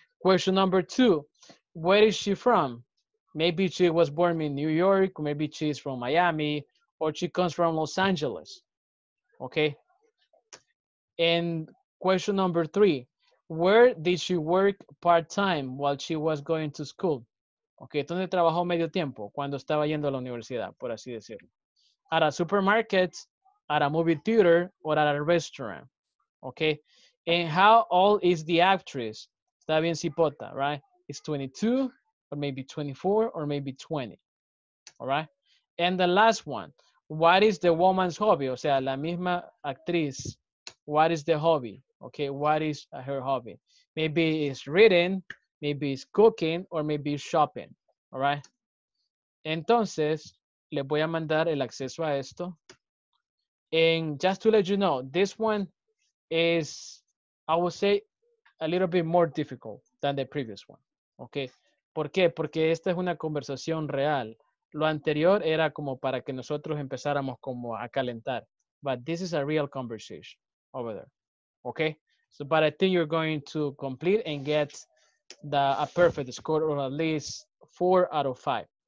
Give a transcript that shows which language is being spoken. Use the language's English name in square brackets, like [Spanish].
[English] Question number two, where is she from? Maybe she was born in New York, maybe she's from Miami, or she comes from Los Angeles, okay? And question number three, where did she work part-time while she was going to school? [Spanish] Okay, ¿dónde trabajó medio tiempo? Cuando estaba yendo a la universidad, por así decirlo. [English] At a supermarket, at a movie theater, or at a restaurant, okay? And how old is the actress? [Spanish] Está bien cipota, [English] right? It's 22, or maybe 24, or maybe 20, all right? And the last one, what is the woman's hobby? [Spanish] O sea, la misma actriz, [English] what is the hobby? Okay, what is her hobby? Maybe it's reading, maybe it's cooking, or maybe it's shopping, all right? [Spanish] Entonces, le voy a mandar el acceso a esto. [English] And just to let you know, this one is, I would say, a little bit more difficult than the previous one, okay? [Spanish] ¿Por qué? Porque esta es una conversación real. Lo anterior era como para que nosotros empezáramos como a calentar. [English] But this is a real conversation over there. Okay, so but I think you're going to complete and get a perfect score or at least 4 out of 5.